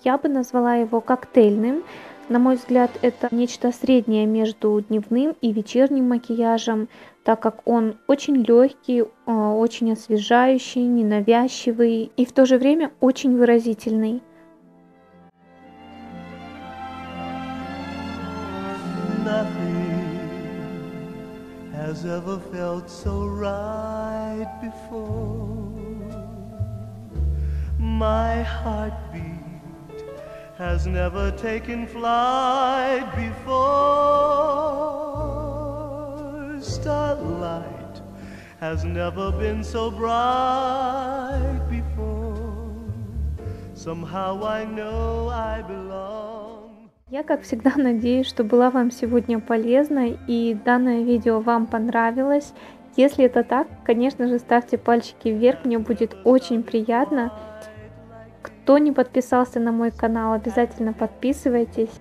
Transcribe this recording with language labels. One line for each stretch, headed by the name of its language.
Russian: Я бы назвала его коктейльным. На мой взгляд, это нечто среднее между дневным и вечерним макияжем, так как он очень легкий, очень освежающий, ненавязчивый и в то же время очень выразительный.
English: Nothing has ever felt so right before. My heart beat has never taken flight before. Starlight has never been so bright before. Somehow I know I belong.
Russian: Я, как всегда, надеюсь, что была вам сегодня полезна и данное видео вам понравилось. Если это так, конечно же, ставьте пальчики вверх, мне будет очень приятно. Кто не подписался на мой канал, обязательно подписывайтесь.